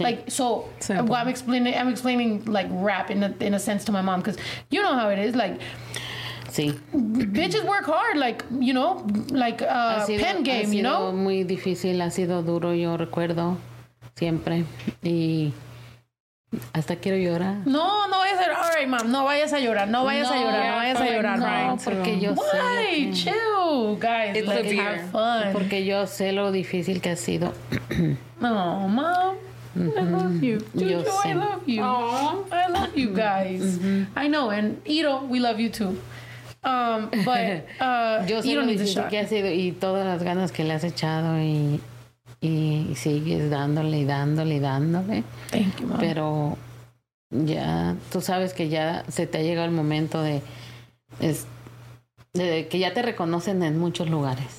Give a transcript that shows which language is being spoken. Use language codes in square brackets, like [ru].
[en] Like, so, well, I'm explaining, like, rap in a sense to my mom, because you know how it is, like... [es] Sí. [en] Bitches work hard, like, you know, like a pen game, you know? [es] Ha sido muy difícil, ha sido duro, yo recuerdo siempre. Y hasta quiero llorar. No vayas a llorar. All right, mom, no vayas a llorar. No vayas a llorar, no vayas a llorar, right? No, porque yo sé. [en] Why? Chill, guys. It's like, have fun. [es] Porque yo sé lo difícil que ha sido. [en] No, mom. I love you. Juju, I love you. Aww. I love you guys. Mm-hmm. I know, and Iro, we love you too. But Iro needs a shot. [es] Que ha sido, y todas las ganas que le has echado y sigues dándole. [en] Thank you, mom. [es] Pero ya, tú sabes que ya se te ha llegado el momento de que ya te reconocen en muchos lugares.